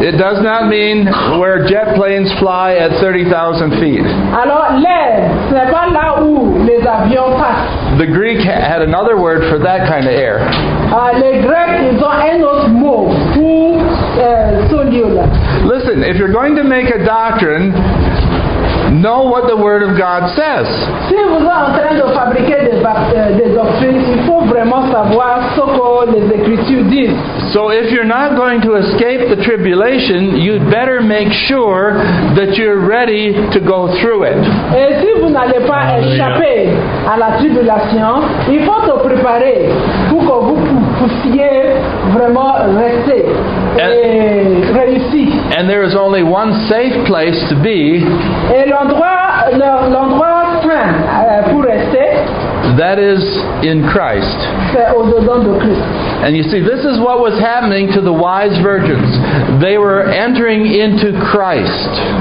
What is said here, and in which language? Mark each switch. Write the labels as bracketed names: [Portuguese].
[English] It does not mean where jet planes fly at 30,000 feet. [French] Alors, l'air, ce n'est pas là où les avions passent. [English] The Greek had another word for that kind of air. [French] Les Grecs, ils ont un autre mot pour ce lieu-là. [English] Listen, if you're going to make a doctrine, know what the Word of God says. [French] Si vous êtes en train de fabriquer des doctrines, il faut vraiment savoir ce que les Écritures disent. [English] So if you're not going to escape the tribulation, you'd better make sure that you're ready to go through it. [French] Et si vous n'allez pas échapper à la tribulation, il faut te préparer pour que vous puissiez vraiment rester et réussir. [English] And there is only one safe place to be. [French] Et l'endroit sain pour rester. [English] That is in Christ. [French] C'est au-dedans de Christ. [English] And you see, this is what was happening to the wise virgins. They were entering into Christ.